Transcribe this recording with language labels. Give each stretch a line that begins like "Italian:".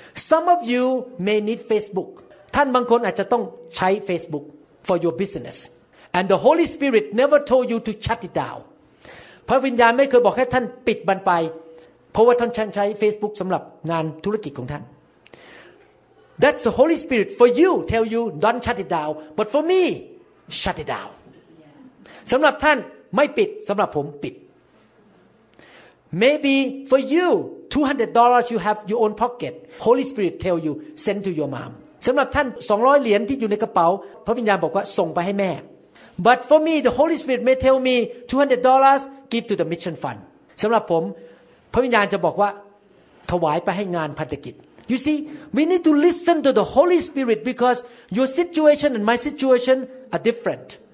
English: Some of you may need Facebook
Thai: ท่านบางคนอาจจะต้องใช้
English: Facebook for your business and the Holy Spirit never told you to shut it down
Thai: พระวิญญาณไม่เคยบอกให้ท่านปิดมันไปเพราะว่าท่านใช้
English: Facebook
Thai: สำหรับงานธุรกิจของท่าน
English: That's the Holy Spirit for you. Tell you, don't shut it down. But for me, shut it down.
Thai: สำหรับท่านไม่ปิดสำหรับผมปิด
English: Maybe for you, $200 you have your own pocket. Holy Spirit tell you, send to your mom.
Thai: สำหรับท่าน200เหรียญที่อยู่ในกระเป๋าพระวิญญาณบอกว่าส่งไปให้แม่
English: But for me, the Holy Spirit may tell me, $200 give to the mission fund.
Thai: สำหรับผมพระวิญญาณจะบอกว่าถวายไปให้งานพันธกิจ
English: You see, we need to listen to the Holy Spirit because your situation and my situation are different.